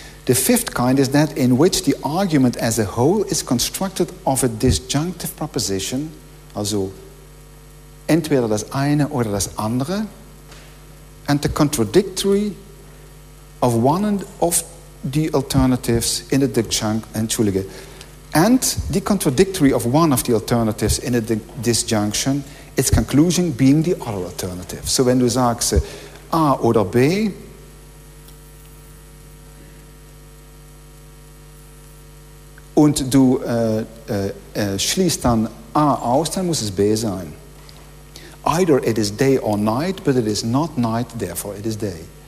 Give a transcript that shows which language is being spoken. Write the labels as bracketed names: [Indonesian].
[English] The fifth kind is that in which the argument as a whole is constructed of a disjunctive proposition, [German] also entweder das eine oder das andere, [English] and the contradictory of one and of the alternatives in the disjunct, [German] entschuldige, [English] and the contradictory of one of the alternatives in a disjunction, its conclusion being the other alternative. [German] So wenn du sagst, A oder B, und du schließt dann A aus, dann muss es B sein. [English] Either it is day or night, but it is not night, therefore it is day.